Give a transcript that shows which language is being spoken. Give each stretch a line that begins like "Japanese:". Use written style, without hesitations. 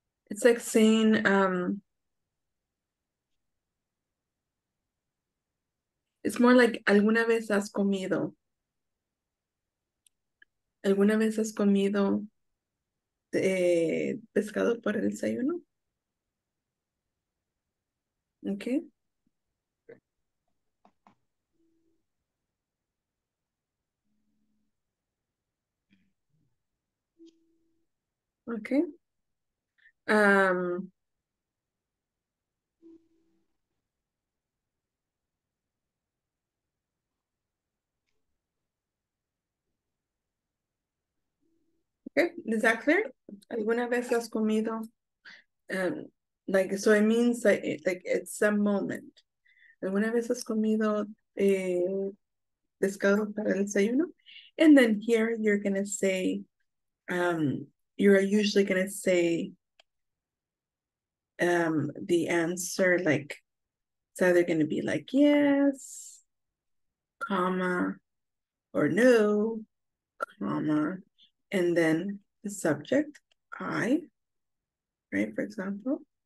English: It's like saying, it's more like
Spanish: alguna vez has comido. Alguna vez has comido pescado para el desayuno.
English: Okay. Okay. Okay, is that clear?
Spanish: ¿Alguna vez has comido?
English: So it means like it's a moment.
Spanish: ¿Alguna vez has comido pescado para el desayuno?
English: And then here you're going to say, you're usually going to say, the answer, like, it's either going to be like yes, comma, or no, comma, and then the subject, I, right, for example.